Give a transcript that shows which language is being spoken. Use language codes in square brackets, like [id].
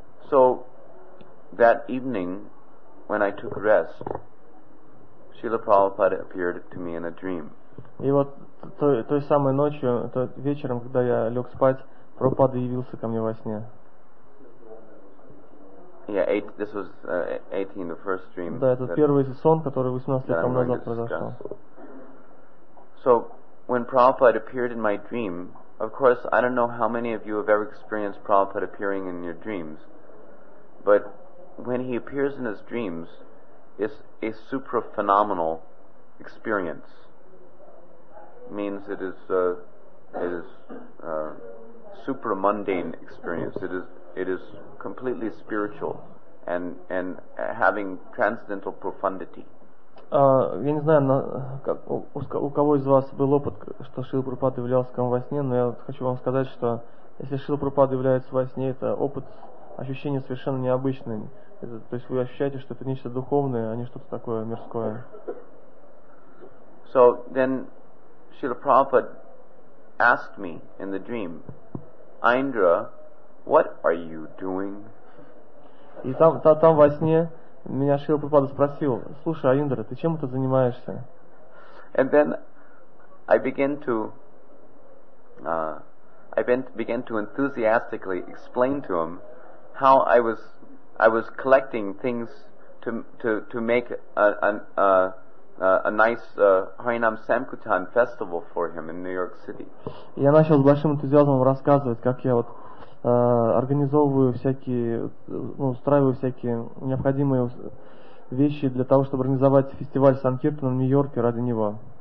[en] So that evening, when I took rest, Srila Prabhupada appeared to me in a dream. [ru] И вот той самой ночью, вечером, когда я лег спать, Прабхупада явился ко мне во сне. [en] Yeah, this was 18, the first dream. [ru] Да, это первый сон, который 18 лет назад произошел. [en] So, when Prabhupada appeared in my dream, of course, I don't know how many of you have ever experienced Prabhupada appearing in your dreams, but when he appears in his dreams, it's a super phenomenal experience. Means it is super mundane experience. It is completely spiritual and having transcendental profundity. [ru] Я не знаю, у кого из вас был опыт, что Шрила Прабхупада являлся к вам во сне, но я хочу вам сказать, что если Шрила Прабхупада является во сне, это опыт, ощущение совершенно необычное. То есть вы ощущаете, что это нечто духовное, а не что-то такое мирское. [en] So then Srila Prabhupada asked me in the dream, Indra, what are you doing? [ru] И там во сне меня Шрила Прабхупада спросил, слушай, Индра, ты чем ты занимаешься? [en] And then I began to enthusiastically explain to him how I was collecting things to make a nice Harinam Samkirtan festival for him in New York City. [ru] Я начал с большим энтузиазмом рассказывать, как я вот организовываю всякие, ну, устраиваю всякие необходимые вещи для того, чтобы организовать фестиваль Санкиртана в Нью-Йорке ради него.